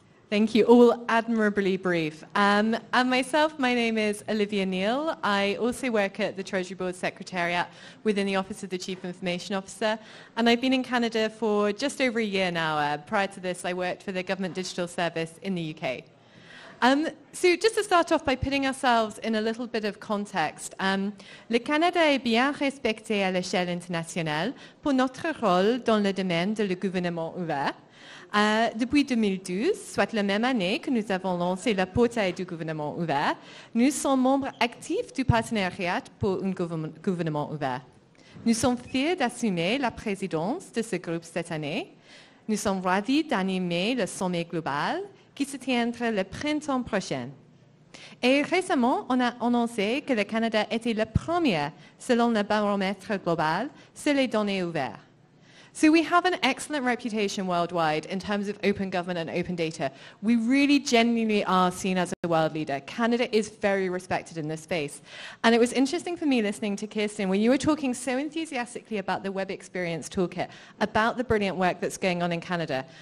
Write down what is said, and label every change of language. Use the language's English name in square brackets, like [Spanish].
[English] Thank you. All admirably brief. And myself, my name is Olivia Neal. I also work at the Treasury Board Secretariat within the Office of the Chief Information Officer. And I've been in Canada for just over a year now. Prior to this, I worked for the Government Digital Service in the UK. So just to start off by putting ourselves in a little bit of context, [French] le Canada est bien respecté à l'échelle internationale pour notre rôle dans le domaine de le gouvernement ouvert. Depuis 2012, soit la même année que nous avons lancé le portail du gouvernement ouvert, nous sommes membres actifs du partenariat pour un gouvernement ouvert. Nous sommes fiers d'assumer la présidence de ce groupe cette année. Nous sommes ravis d'animer le sommet global qui se tiendra le printemps prochain. Et récemment, on a annoncé que le Canada était le premier, selon le baromètre global, sur les données ouvertes. [English] So we have an excellent reputation worldwide in terms of open government and open data. We really genuinely are seen as a world leader. Canada is very respected in this space. And it was interesting for me listening to Kirsten when you were talking so enthusiastically about the Web Experience Toolkit, about the brilliant work that's going on in Canada.